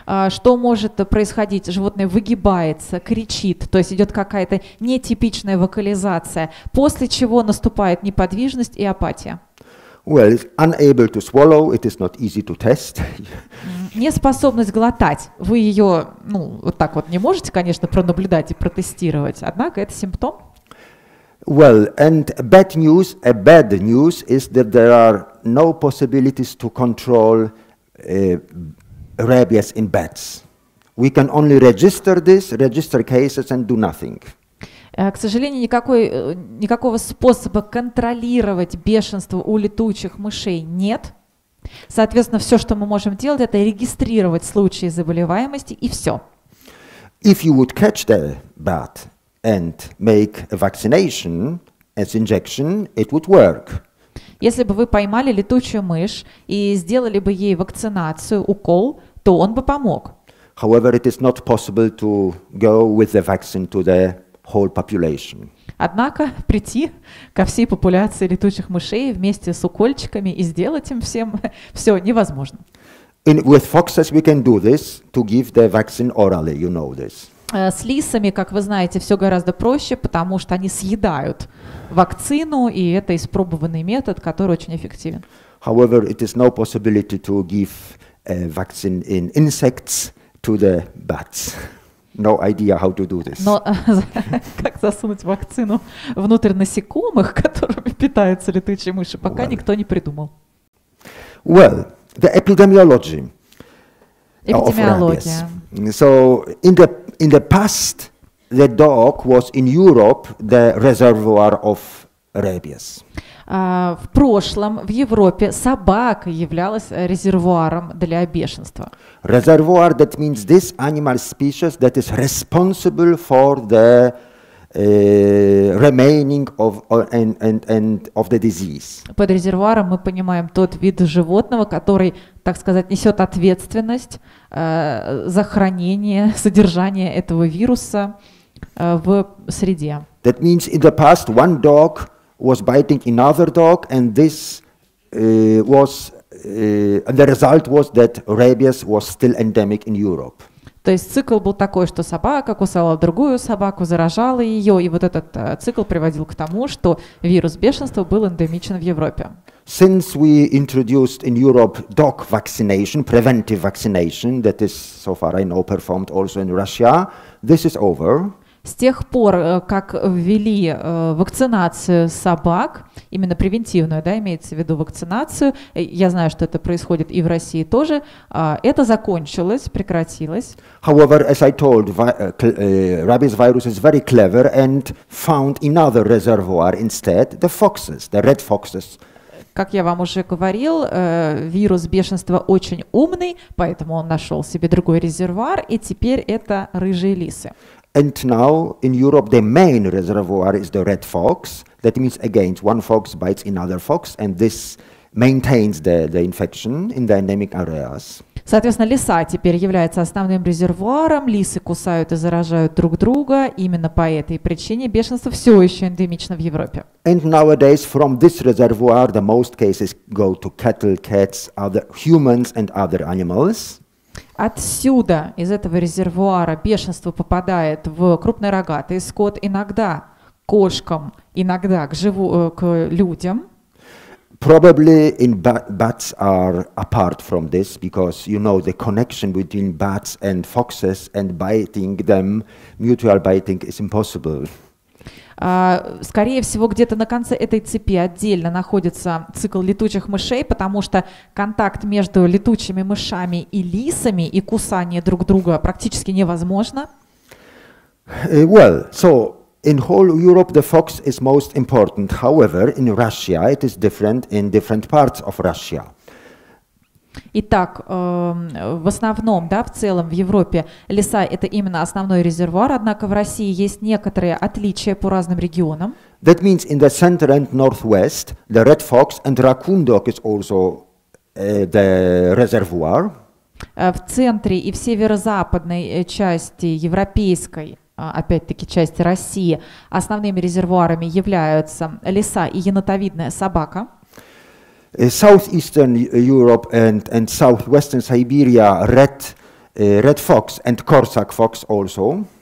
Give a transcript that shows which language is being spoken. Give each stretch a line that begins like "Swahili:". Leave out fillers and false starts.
Russian: Что может происходить? Животное выгибается, кричит, то есть идет какая-то нетипичная вокализация, после чего наступает неподвижность и апатия.
English: Well, unable to swallow, it is not easy to test.
Russian: Неспособность глотать. Вы ее, ну, вот так вот не можете, конечно, пронаблюдать и протестировать, однако это симптом.
English: Well, and bad news is that there are no possibilities to control rabies in bats. We can only register cases and do nothing.
Russian: К сожалению, никакого способа контролировать бешенство у летучих мышей нет. Соответственно, все, что мы можем делать, это регистрировать случаи заболеваемости и все.
English: If you would catch the bat and make a vaccination as injection, it would work.
Russian: Если бы вы поймали летучую мышь и сделали бы ей вакцинацию, укол, то он бы помог.
English: However, it is not possible to go with the vaccine to the whole population.
Russian: Однако прийти ко всей популяции летучих мышей вместе с укольчиками и сделать им всем все невозможно.
English: With foxes we can do this to give the vaccine orally, you know this.
Russian: С лисами, как вы знаете, все гораздо проще, потому что они съедают вакцину, и это испробованный метод, который очень эффективен.
English: However, it is no possibility to give a vaccine in insects to the bats. No idea how to do this.
Russian: Но как засунуть вакцину внутрь насекомых, которыми питаются летучие мыши, пока никто не придумал.
English: Well, the epidemiology.
Russian: Эпидемиология.
English: So in the past, the dog was in Europe the reservoir of rabies.
Russian: В прошлом в Европе собака являлась резервуаром для бешенства.
English: Reservoir, that means this animal species that is responsible for the remaining of and of the disease.
Russian: Под резервуаром мы понимаем тот вид животного, который, так сказать, несет ответственность за хранение, содержание этого вируса в среде.
English: That means in the past one dog was biting another dog, and this the result was that rabies was still endemic in Europe.
Russian: То есть цикл был такой, что собака кусала другую собаку, заражала ее, и вот этот цикл приводил к тому, что вирус бешенства был эндемичен в Европе.
English: Since we introduced in Europe dog vaccination, preventive vaccination, that is, so far I know, performed also in Russia, this is over.
Russian: С тех пор, как ввели вакцинацию собак, именно превентивную, да, имеется в виду вакцинацию, я знаю, что это происходит и в России тоже, это закончилось, прекратилось.
English: However, as I told, rabies virus is very clever and found another reservoir instead, the foxes, the red foxes.
Russian: Как я вам уже говорил, вирус бешенства очень умный, поэтому он нашел себе другой резервуар, и теперь это рыжие лисы.
English: And now in Europe the main reservoir is the red fox. That means again, one fox bites another fox, and this maintains the infection in the endemic areas.
Russian: Соответственно, лиса теперь является основным резервуаром. Лисы кусают и заражают друг друга. Именно по этой причине бешенство все еще эндемично в Европе.
English: And nowadays from this reservoir the most cases go to cattle, cats, other humans and other animals.
Russian: Отсюда, из этого резервуара, бешенство попадает в крупный рогатый скот, иногда к кошкам, иногда к людям.
English: Probably in bats are apart from this, because you know the connection between bats and foxes and biting them, mutual biting is impossible.
Russian: Скорее всего, где-то на конце этой цепи отдельно находится цикл летучих мышей, потому что контакт между летучими мышами и лисами и кусание друг друга практически невозможно.
English: Well, so in whole Europe the fox is most important. However, in Russia it is different in different parts of Russia.
Russian: Итак, в основном, да, в целом в Европе леса – это именно основной резервуар, однако в России есть некоторые отличия по разным регионам.
English: That means in the center and northwest, the red fox and raccoon dog is also the reservoir.
Russian: В центре и в северо-западной части европейской, опять-таки, части России, основными резервуарами являются леса и енотовидная собака.
English: Southeastern Europe and southwestern Siberia, red fox and Corsac fox also.